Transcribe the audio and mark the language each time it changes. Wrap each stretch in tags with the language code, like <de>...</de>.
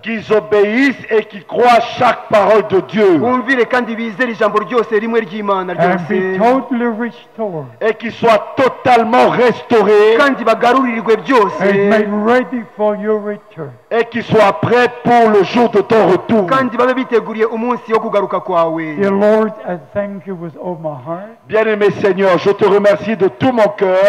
<fr>Qu'ils obéissent et qu'ils croient chaque parole de Dieu.</fr> <en>And be totally restored.</en> <fr>Et qu'ils soient totalement restaurés.</fr> <en>And made ready for your return.</en> <fr>Et qu'ils soient prêts pour le jour de ton retour.</fr> <en>Dear Lord, I thank you with all my heart.</en> <fr>Bien-aimé Seigneur, je te remercie de tout mon cœur.</fr>